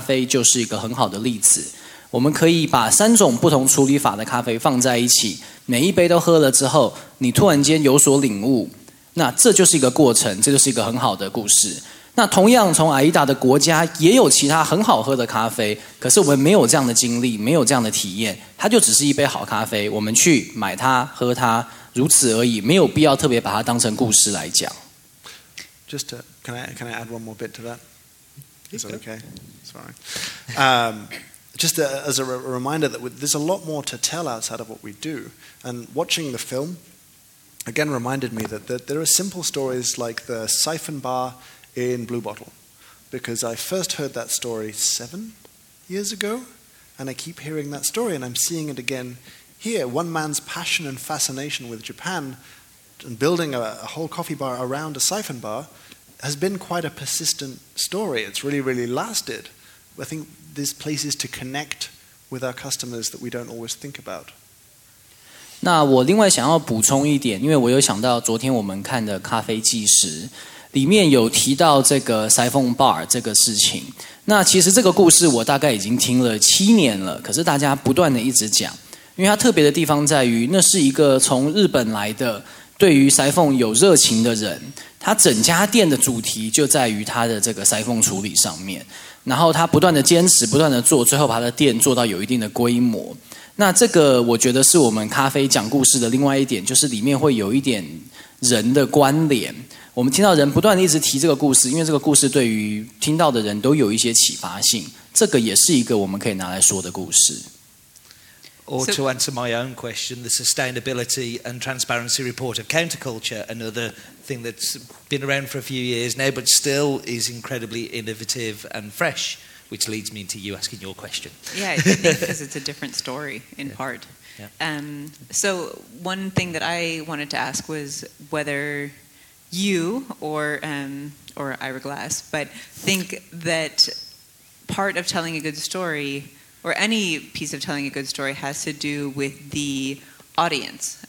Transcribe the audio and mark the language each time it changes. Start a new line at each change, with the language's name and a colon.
Chinese: 我觉得我们说故事的时候，这又是另外一个层面。我们必须做出一定程度的筛选。我们可以说，今天我们喝到好咖啡，那就是这样子。可是如果你有一些真的非常特别的经验，你有一个真的很有趣的故事，而且这个故事最好是带有一点启发性，带有一些思考性在里面，那我们就可以把它拿出来说。像是Aida的咖啡就是一个很好的例子。我们可以把三种不同处理法的咖啡放在一起，每一杯都喝了之后，你突然间有所领悟，那这就是一个过程，这就是一个很好的故事。那同样从阿伊达的国家也有其他很好喝的咖啡，可是我们没有这样的经历，没有这样的体验，它就只是一杯好咖啡，我们去买它喝它，如此而已，没有必要特别把它当成故事来讲。
English: Just to, can I add one more bit to that? Is that okay? Sorry. Just as a reminder that there's a lot more to tell outside of what we do. And watching the film again reminded me that there are simple stories like the siphon bar in Blue Bottle, because I first heard that story 7 years ago, and I keep hearing that story, and I'm seeing it again here. One man's passion and fascination with Japan and building a whole coffee bar around a siphon bar has been quite a persistent story. It's really, really lasted. I think there's places to connect with our customers that we don't always think about.
Chinese: 那我另外想要补充一点，因为我有想到昨天我们看的《咖啡纪实》里面有提到这个 Siphon Bar 这个事情。那其实这个故事我大概已经听了7年了，可是大家不断的一直讲，因为它特别的地方在于，那是一个从日本来的对于 Siphon 有热情的人，他整家店的主题就在于他的这个 Siphon 处理上面，然后他不断的坚持，不断的做，最后把他的店做到有一定的规模。那这个我觉得是我们咖啡讲故事的另外一点，就是里面会有一点人的关联，我们听到人不断地一直提这个故事，因为这个故事对于听到的人都有一些启发性，这个也是一个我们可以拿来说的故事。
English: Or to answer my own question, the sustainability and transparency report of Counterculture, another thing that's been around for a few years now but still is incredibly innovative and fresh, which leads me to you asking your question. Yeah, because it's a different story in part. So one thing that I wanted to ask was whether you or Ira Glass, but think that part of telling a good story, or any piece of telling a good story, has to do with the audience.